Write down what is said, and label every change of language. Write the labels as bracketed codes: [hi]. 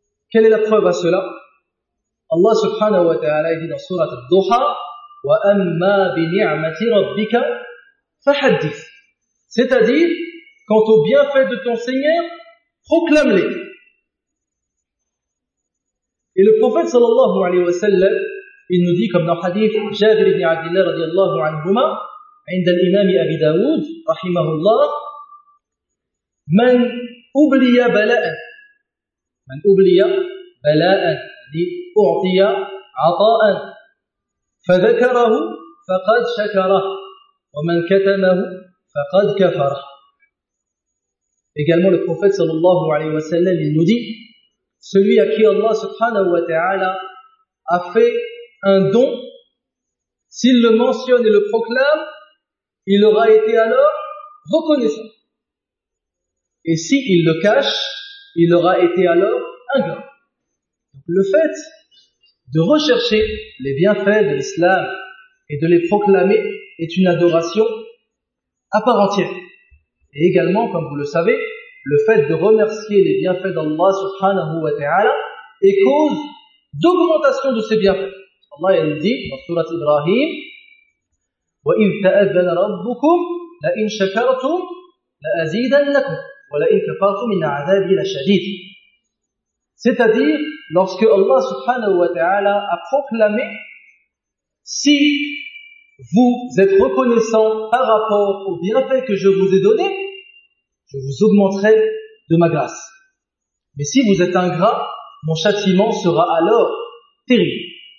[fr] Quelle est la preuve à cela? Allah subhanahu wa ta'ala dit dans surat al-Duha, [ar] وَأَمَّا بِنِعْمَةِ رَبِّكَ فَحَدِّثْ. [fr] C'est-à-dire, quant aux bienfaits de ton Seigneur, proclame-les. Et le prophète sallallahu alayhi wa sallam, il nous dit comme dans le hadith Jabir ibn Abdillah radiallahu anhuma, [ar] عند الإمام أبي داود رحمه الله, من أبلي بلاء, من أبلي بلاء, لأعطي عطاء فذكره فقد شكره ومن كتمه فقد كفره. [fr] Également le prophète sallallahu alayhi wa sallam, il nous dit, celui à qui Allah subhanahu wa ta'ala a fait un don, s'il le mentionne et le proclame, il aura été alors reconnaissant. Et s'il le cache, il aura été alors ingrat. Donc le fait de rechercher les bienfaits de l'islam et de les proclamer est une adoration à part entière. Et également, comme vous le savez, le fait de remercier les bienfaits d'Allah subhanahu wa ta'ala est cause d'augmentation de ces bienfaits. Allah, il dit dans surat Ibrahim, [ar] وَإِذْ تَأَذَّنَ رَبُّكُمْ لَإِنْ شَكَرْتُمْ لَأَزِيدَنَّكُمْ وَلَإِنْ كَفَرْتُمْ إِنَّ عَذَابِي لَشَدِيدٌ. [fr] C'est-à-dire, lorsque Allah subhanahu wa ta'ala a proclamé, si vous êtes reconnaissant par rapport aux bienfaits que je vous ai donnés, je vous augmenterai de ma grâce. Mais si vous êtes ingrat, mon châtiment sera alors terrible.